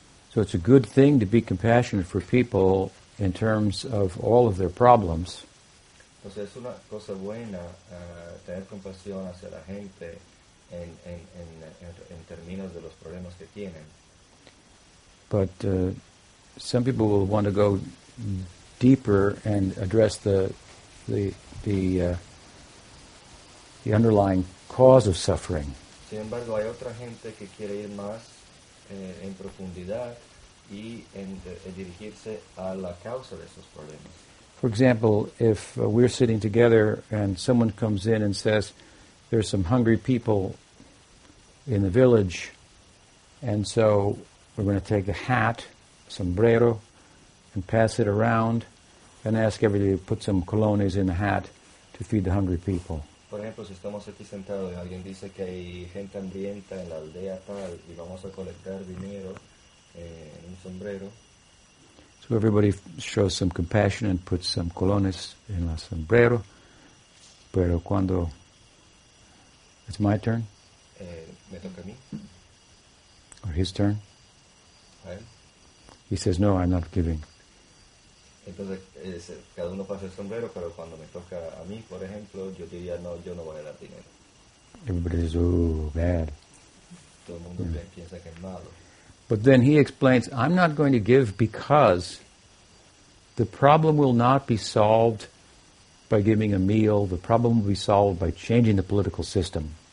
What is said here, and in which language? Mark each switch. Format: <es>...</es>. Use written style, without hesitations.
<en>So it's a good thing to be compassionate for people in terms of all of their problems.</en> <es>Entonces es una cosa buena tener compasión hacia la gente en términos de los problemas que tienen.</es> <en>But some people will want to go deeper and address the underlying cause of suffering.</en> <es>Sin embargo, hay otra gente que quiere ir más en profundidad y en dirigirse a la causa de esos problemas.</es> <en>For example, if we're sitting together and someone comes in and says, there's some hungry people in the village, and so we're going to take a hat, sombrero, and pass it around and ask everybody to put some colones in the hat to feed the hungry people.</en> <es>Por ejemplo, si estamos aquí sentados y alguien dice que hay gente hambrienta en la aldea tal y vamos a colectar dinero en un sombrero.</es> <en>So everybody shows some compassion and puts some colones</en> <es>en la sombrero. Pero cuando...</es> <en>It's my turn?</en> <es>Me toca a mí.</es> <en>Or his turn?</en> <es>A él.</es> <en>He says, no, I'm not giving.</en> <es>Entonces, cada uno pasa el sombrero, pero cuando me toca a mí, por ejemplo, yo diría, no, yo no voy a dar dinero.</es> <en>Everybody says, ooh, bad.</en> <es>Todo el mundo piensa que es malo.</es> <en>But then he explains, I'm not going to give because the problem will not be solved by giving a meal. The problem will be solved by changing the political system.</en>